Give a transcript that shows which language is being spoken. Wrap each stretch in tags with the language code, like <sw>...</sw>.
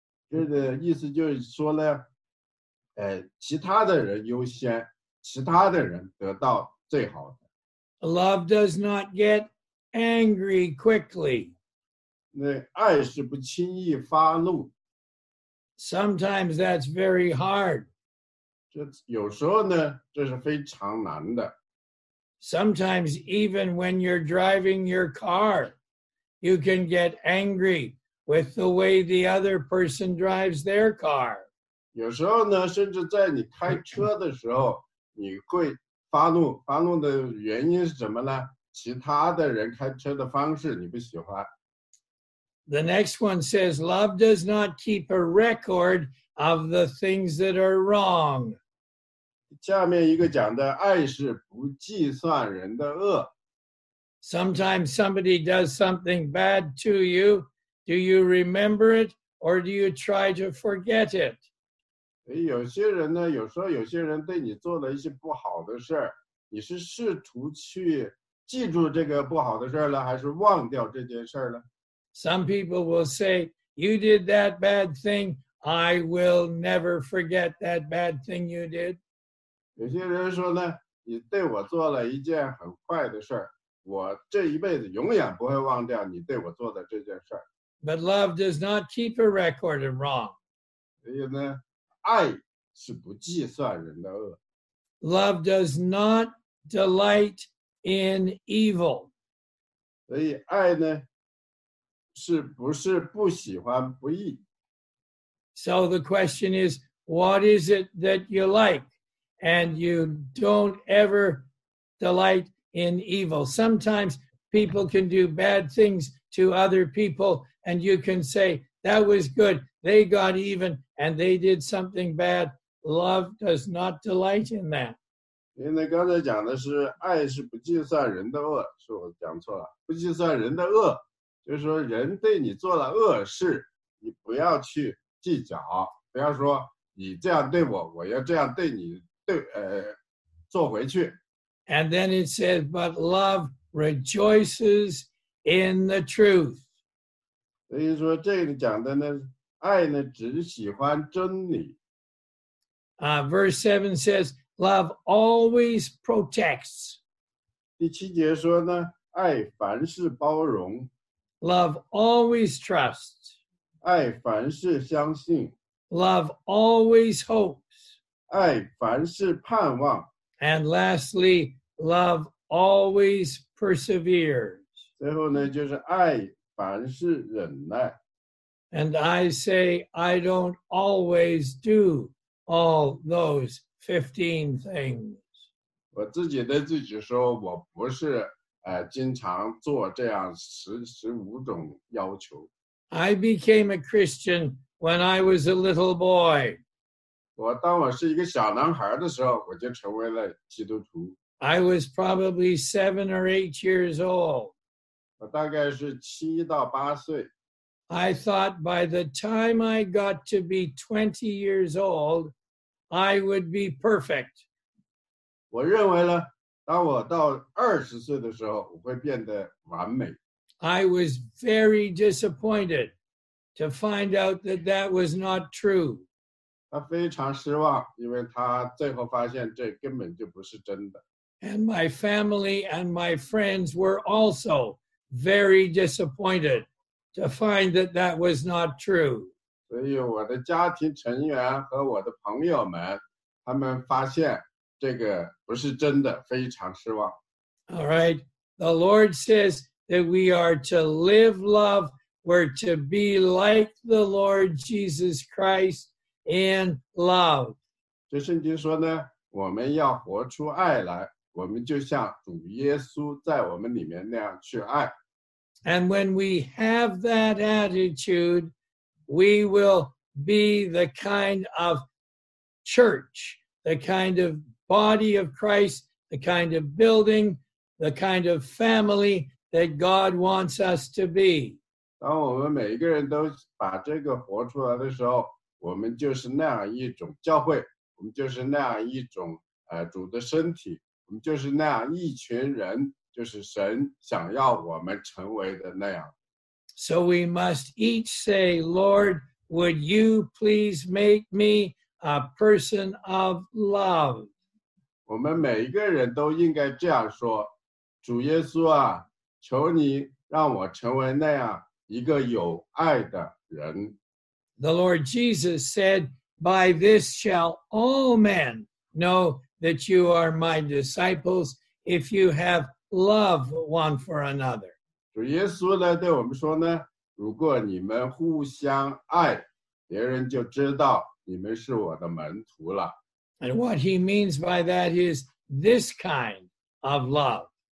<zh>这个意思就是说呢，其他的人优先，其他的人得到最好的。</zh> <en>Love does not get angry quickly.</en> <zh>那爱是不轻易发怒。</zh> <en>Sometimes that's very hard.</en> <zh>这有时候呢，这是非常难的。</zh> <en>Sometimes even when you're driving your car, you can get angry with the way the other person drives their car.</en> <zh>有时候呢，甚至在你开车的时候，你会发怒。发怒的原因是什么呢？其他的人开车的方式你不喜欢。</zh> <en>The next one says, love does not keep a record of the things that are wrong.</en> <zh>下面一个讲的，爱是不计算人的恶。</zh> <en>Sometimes somebody does something bad to you. Do you remember it or do you try to forget it?</en> <zh>有些人呢，有时候有些人对你做了一些不好的事，你是试图去记住这个不好的事了，还是忘掉这件事了？</zh> <en>Some people will say, you did that bad thing, I will never forget that bad thing you did.</en> <zh>有些人说呢，你对我做了一件很坏的事，我这一辈子永远不会忘掉你对我做的这件事。</zh> <en>But love does not keep a record of wrong.</en> <zh>所以呢，爱是不计算人的恶。</zh> <en>Love does not delight in evil.</en> <zh>所以爱呢，是不是不喜欢不义？</zh> <en>So the question is, what is it that you like? And you don't ever delight in evil. Sometimes people can do bad things to other people and you can say, that was good. They got even and they did something bad. Love does not delight in that.</en> <zh>因为刚才讲的是爱是不计算人的恶，是我讲错了，不计算人的恶。就是说人对你做了恶事，你不要去计较，不要说你这样对我，我要这样对你，做回去。</zh> <en>And then it says, but love rejoices in the truth.</en> <zh>所以说这里讲的呢，爱呢只喜欢真理。</zh> <en>Verse 7 says, love always protects.</en> <zh>第七节说呢，爱凡事包容。</zh> <en>Love always trusts.</en> <zh>爱凡事相信。</zh> <en>Love always hopes.</en> <zh>爱凡事盼望。</zh> <en>And lastly, love always perseveres.</en> <zh>最后呢，就是爱凡事忍耐。</zh> <en>And I say, I don't always do all those 15 things.</en> <zh>我自己对自己说，我不是经常做这样15种要求。</zh> <en>I became a Christian when I was a little boy.</en> <zh>我当我是一个小男孩的时候，我就成为了基督徒。</zh> <en>I was probably 7 or 8 years old.</en> <zh>我大概是7到8岁。</zh> <en>I thought by the time I got to be 20 years old, I would be perfect.</en> <zh>我认为呢，当我到20岁的时候，我会变得完美。</zh> <en>I was very disappointed to find out that that was not true.</en> <zh>他非常失望，因为他最后发现这根本就不是真的。</zh> <en>And my family and my friends were also very disappointed to find that that was not true.</en> <zh>所以我的家庭成员和我的朋友们他们发现这个不是真的非常失望。</zh> <en>All right. The Lord says that we are to live love, we're to be like the Lord Jesus Christ in love.</en> <zh>这圣经说呢，我们要活出爱来，我们就像主耶稣在我们里面那样去爱。</zh> <en>And when we have that attitude, we will be the kind of church, the kind of body of Christ, the kind of building, the kind of family that God wants us to be.</en> <zh>当我们每一个人都把这个活出来的时候，我们就是那样一种教会，我们就是那样一种主的身体，我们就是那样一群人，就是神想要我们成为的那样。</zh> <en>So we must each say, Lord, would you please make me a person of love?</en> <zh>我们每一个人都应该这样说，主耶稣啊，求你让我成为那样一个有爱的人。</zh> <en>The Lord Jesus said, by this shall all men know that you are my disciples if you have love one for another.</en> <zh>主耶稣呢对我们说呢，如果你们互相爱，别人就知道你们是我的门徒了。</zh> <en>And what he means by that is this kind of love.</en>